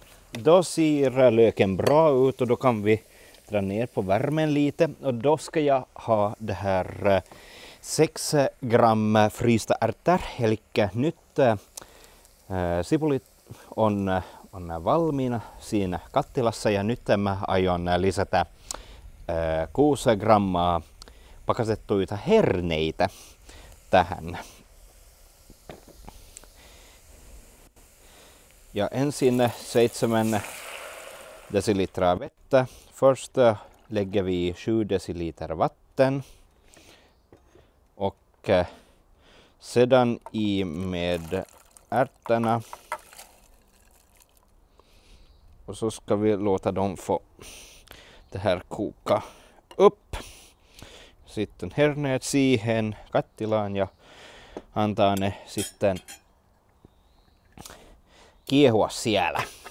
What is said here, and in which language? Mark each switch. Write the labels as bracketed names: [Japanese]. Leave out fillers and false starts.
[Swedish] Då ser löken bra ut och då kan vi dra ner på värmen lite och då ska jag ha det här 6 gram frysta ärtor, eller [Finnish] nytt sipulit on valmiina siinä kattilassa ja nyt mä aion lisätä 6 grammaa pakastettuja herneitä tähän. Ja ensin 7 desilitraa vettä. [Swedish] Först lägger vi 7 deciliter vatten och sedan i med ärtorna och så ska vi låta dem få det här koka upp. [Finnish] Sitten herneet siihen kattilaan ja antaa ne sitten kiehua siellä.